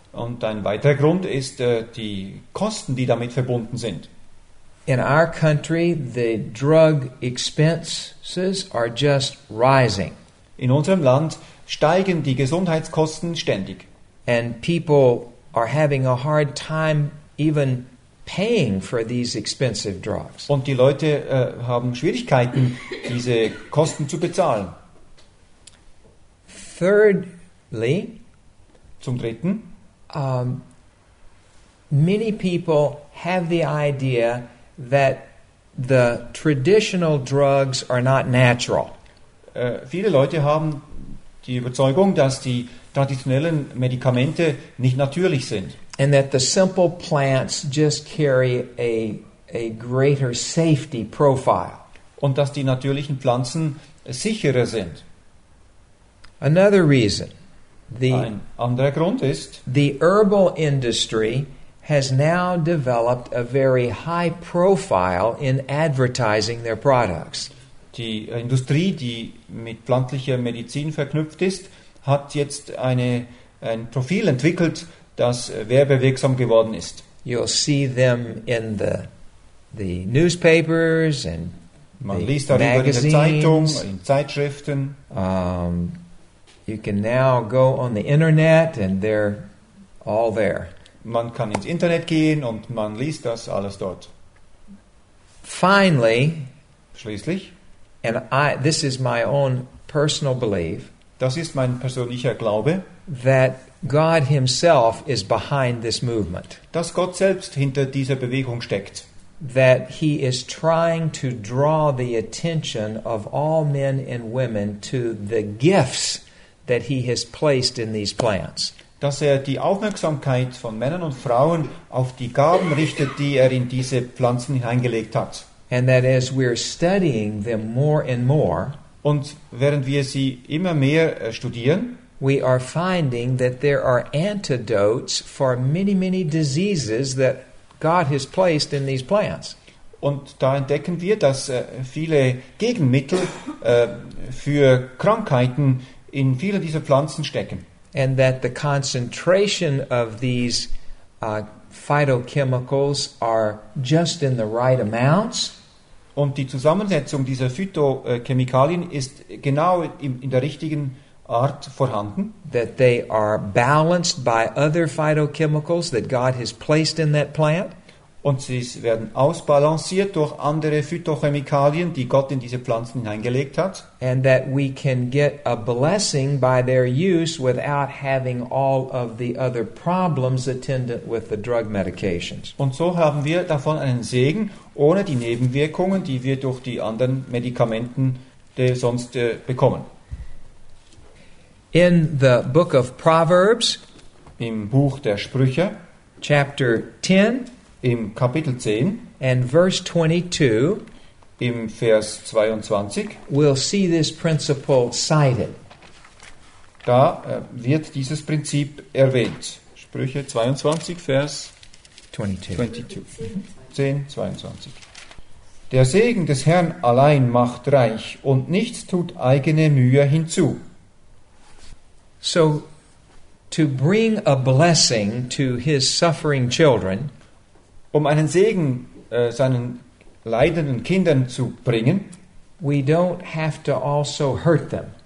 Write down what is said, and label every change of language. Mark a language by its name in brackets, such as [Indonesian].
[German] Und ein weiterer Grund ist die Kosten, die damit verbunden sind. [English] In our country, the drug expenses are just rising. [German] In unserem Land steigen die Gesundheitskosten ständig. [English] And people are having a hard time even paying for these expensive drugs. [German] Und die Leute haben Schwierigkeiten, diese Kosten zu bezahlen. [English] Thirdly, [German] zum Dritten, [English] many people have the idea that the traditional drugs are not natural. [German] Viele Leute haben die Überzeugung, dass die traditionellen Medikamente nicht natürlich sind. [English] And that the simple plants just carry a greater safety profile. [German] Und dass die natürlichen Pflanzen sicherer sind. [English] Another reason. [German] Ein anderer Grund ist, [English] the herbal industry has now developed a very high profile in advertising their products. [German] Die Industrie, die mit pflanzlicher Medizin verknüpft ist, hat jetzt ein Profil entwickelt, das werbewirksam geworden ist. [English] You'll see them in the newspapers and [German] man liest darüber [English] magazines. [German] In der Zeitung, in Zeitschriften. [English] You can now go on the internet and they're all there. [German] Man kann ins Internet gehen und man liest das alles dort. [English] Finally, [German] schließlich, [English] and this is my own personal belief, [German] das ist mein persönlicher Glaube, [English] that God himself is behind this movement. [German] Dass Gott selbst hinter dieser Bewegung steckt. [English] That he is trying to draw the attention of all men and women to the gifts that he has placed in these plants. [German] Dass er die Aufmerksamkeit von Männern und Frauen auf die Gaben richtet, die er in diese Pflanzen hineingelegt hat. [English] And that as we're studying them more and more, [German] und während wir sie immer mehr studieren, [English] we are finding that there are antidotes for many, many diseases that God has placed in these plants. [German] Und da entdecken wir, dass viele Gegenmittel für Krankheiten in vielen dieser Pflanzen stecken. [English] And that the concentration of these phytochemicals are just in the right amounts. [German] Und die Zusammensetzung dieser Phytochemikalien ist genau in der richtigen Art vorhanden. [English] That they are balanced by other phytochemicals that God has placed in that plant. [German] Und sie werden ausbalanciert durch andere Phytochemikalien, die Gott in diese Pflanzen hineingelegt hat. [English] And that we can get a blessing by their use without having all of the other problems attendant with the drug medications. [German] Und so haben wir davon einen Segen, ohne die Nebenwirkungen, die wir durch die anderen Medikamente sonst bekommen. [English] In the book of Proverbs, [German] im Buch der Sprüche, [English] chapter 10, [German] im Kapitel 10 [English] and verse 22, [German] im Vers 22, [English] we'll see this principle cited. [German] Da wird dieses Prinzip erwähnt. Sprüche 22, Vers 22. Der Segen des Herrn allein macht reich, und nichts tut eigene Mühe hinzu. [English] So, to bring a blessing to his suffering children, [German] um einen Segen seinen leidenden Kindern zu bringen, [English] we don't have to also hurt them,